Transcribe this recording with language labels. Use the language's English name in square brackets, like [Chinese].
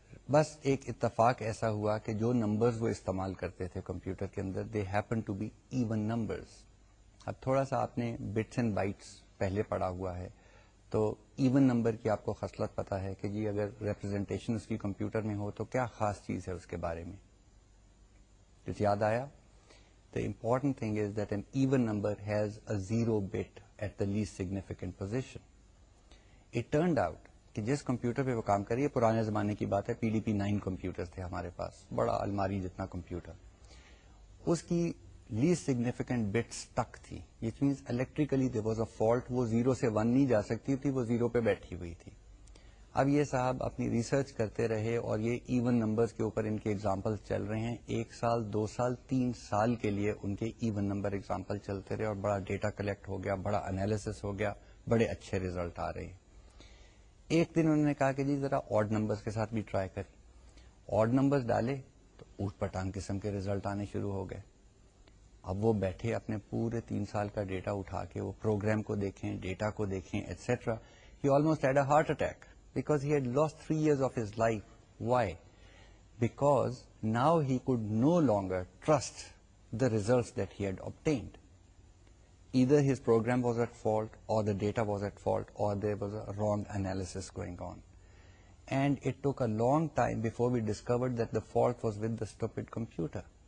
[Urdu] بس ایک اتفاق ایسا ہوا کہ جو نمبرز وہ استعمال کرتے تھے کمپیوٹر کے اندر [English] They happen to be even numbers. [Urdu] اب تھوڑا سا آپ نے بٹس اینڈ بائٹس پہلے پڑا ہوا ہے تو ایون نمبر کی آپ کو خصلت پتا ہے کہ جی اگر ریپرزینٹیشن اس کی کمپیوٹر میں ہو تو کیا خاص چیز ہے اس کے بارے میں. جس یاد آیا, [English] The important thing is that an even number has a zero bit at the least significant position. It turned out [Urdu] کہ جس کمپیوٹر پہ وہ کام کر رہی ہے, پرانے زمانے کی بات ہے, پی ڈی پی 9 کمپیوٹر تھے ہمارے پاس, بڑا الماری جتنا کمپیوٹر, اس کی لیسٹ سگنیفیکینٹ بٹ سٹک تھی. [English] which means electrically there was a fault, [Urdu] وہ 0 سے 1 نہیں جا سکتی تھی, وہ 0 پہ بیٹھی ہوئی تھی. اب یہ صاحب اپنی ریسرچ کرتے رہے اور یہ ایون نمبرز کے اوپر ان کے ایگزامپل چل رہے ہیں. 1 سال 2 سال 3 سال کے لیے ان کے ایون نمبر ایگزامپل چلتے رہے اور بڑا ڈیٹا کلیکٹ ہو گیا, بڑا انالیسس ہو گیا, بڑے اچھے ریزلٹ آ رہے ہیں. ایک دن انہوں نے کہا کہ جی ذرا آڈ نمبرز کے ساتھ بھی ٹرائی کر. آڈ نمبرز ڈالے تو اوٹ پٹانگ قسم کے ریزلٹ آنے شروع ہو گئے. اب وہ بیٹھے اپنے پورے 3 سال کا ڈیٹا اٹھا کے وہ پروگرام کو دیکھیں, ڈیٹا کو دیکھیں, etcetera. [English] He almost had a heart attack because he had lost 3 years of his life. Why? Because now he could no longer trust the result that he had obtained. Either his program was at fault or the data was at fault or there was a wrong analysis going on. And it took a long time before we discovered that the fault was with the stupid computer.